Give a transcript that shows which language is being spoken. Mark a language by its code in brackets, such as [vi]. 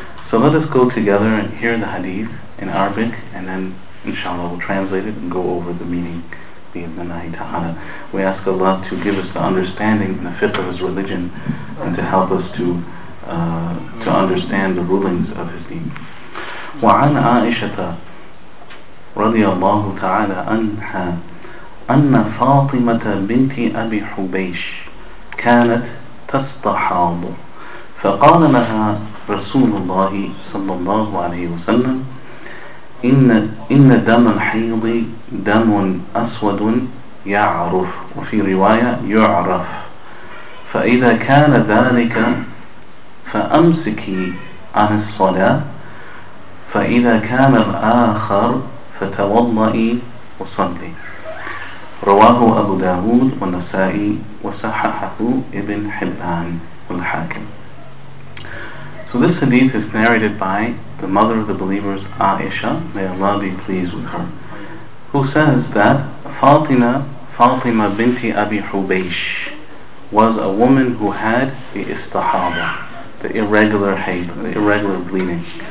[en] So let us go together and hear the hadith in Arabic, and then inshallah we'll translate it and go over the meaning bi-idhnillahi ta'ala. We ask Allah to give us the understanding and the fiqh of His religion, and to help us to understand the rulings of His deen. [ar] وعن عائشة رضي الله تعالى عنها أن فاطمة بنت أبي حبيش كانت تستحاض فقال لها رسول الله صلى الله عليه وسلم إن دم الحيض دم أسود يعرف وفي رواية يعرف فإذا كان ذلك فأمسكي عن الصلاة فإذا كان الآخر فتوضئي وصلي رواه أبو داود والنسائي وصححه ابن حبان والحاكم. [en] So this hadith is narrated by the mother of the believers, Aisha, may Allah be pleased with her, who says that Fatima binti Abi Hubaysh was a woman who had the istahaba, the irregular hayd, the irregular bleeding.